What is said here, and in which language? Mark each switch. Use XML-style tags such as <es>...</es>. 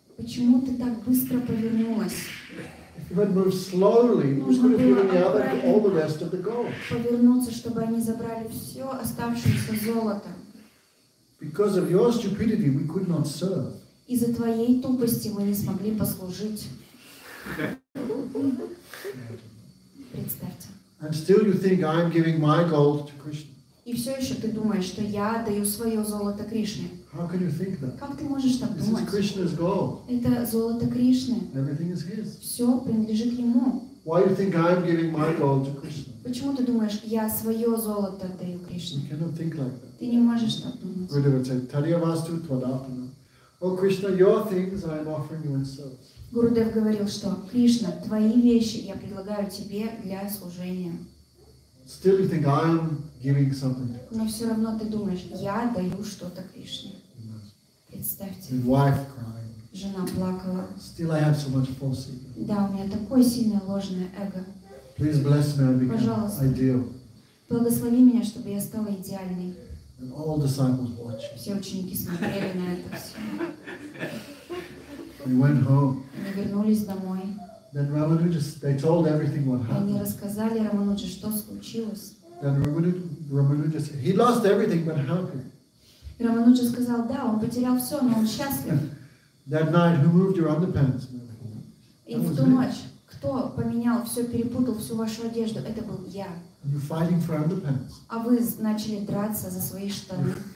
<ru>Почему ты так быстро повернулась?</ru> <en>If you had moved slowly,</en> <ru>нужно</ru> <en>you could have given the other all the rest of the gold.</en> <ru>Повернуться, чтобы они забрали все оставшееся золото.</ru> <en>Because of your stupidity, we could not serve.</en> <ru>Из-за твоей тупости мы не смогли послужить. Представьте.</ru> <en>And still you think I'm giving my gold to Krishna.</en> <ru>И все еще ты думаешь, что я отдаю свое золото Кришне.</ru> <en>How can you think that?</en> <ru>Как ты можешь так</ru> <en>This</en> <ru>думать?</ru> <en>Is Krishna's gold.</en> <ru>Это золото Кришны.</ru> <en>Everything is his.</en> <ru>Все принадлежит ему.</ru> <en>Why you think I'm giving my gold to Krishna?</en> <ru>Почему ты думаешь, я свое золото отдаю Кришне?</ru> <en>You cannot think like that.</en> <ru>Ты не можешь так думать. Гурудев</ru> <en>said,</en> <sa>"Tadyavastu tvadapana."</sa> <en>Oh, Krishna, your things I am offering you in service.</en> <ru>Гурудев говорил, что Кришна, твои вещи я предлагаю тебе для служения.</ru> <en>Still you think I'm giving something.</en> <ru>Но все равно ты думаешь, я даю что-то Кришне. Представьте.</ru> <en>And wife crying.</en> <ru>Жена плакала.</ru> <en>Still I have so much false ego.</en> <ru>Да, у меня такое сильное ложное эго.</ru> <en>Please bless me, I become</en> <ru>Пожалуйста.</ru> <en>Ideal.</en> <ru>Благослови меня, чтобы я стала идеальной.</ru> <en>And all disciples watched.</en> <ru>Все ученики смотрели на это все.</ru> <en>They went home.</en> <ru>Они вернулись домой.</ru> <en>Then Ramanuja, they told everything what happened.</en> <ru>Они рассказали Рамануджи, что случилось.</ru> <en>Then Ramanuja said, he lost everything but happy.</en> <ru>И Рамануджа сказал, да, он потерял все, но он счастлив.</ru> <en>That night, who moved your underpants?</en> <ru>И в ту ночь, кто поменял все, перепутал всю вашу одежду, это был я.</ru> <en>You're fighting for underpants.</en> <ru>А вы начали драться за свои штаны.</ru>